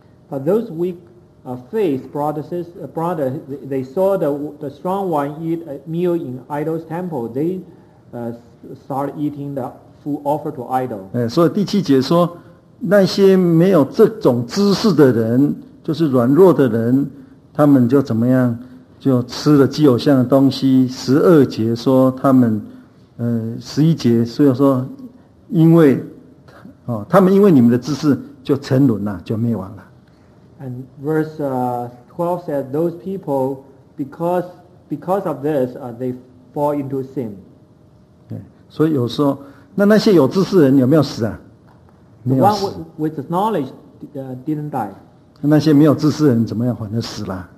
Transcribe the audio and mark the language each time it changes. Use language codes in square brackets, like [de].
[en] Those weak faith brothers, brother, they saw the strong one eat a meal in idol's temple. They started eating the food offered to idol. [zh] 所以第七节说，那些没有这种知识的人，就是软弱的人，他们就怎么样，就吃了祭偶像的东西。十二节说他们，十一节，所以说，因为，他们因为你们的知识就沉沦了，就灭亡了。 [en] And verse 12 said, those people, because of this, they fall into sin. [zh] 所以有时候，那些有知识人有没有死啊？ [en] The one with knowledge didn't die. [zh] 那些没有知识人怎么样，反正死了。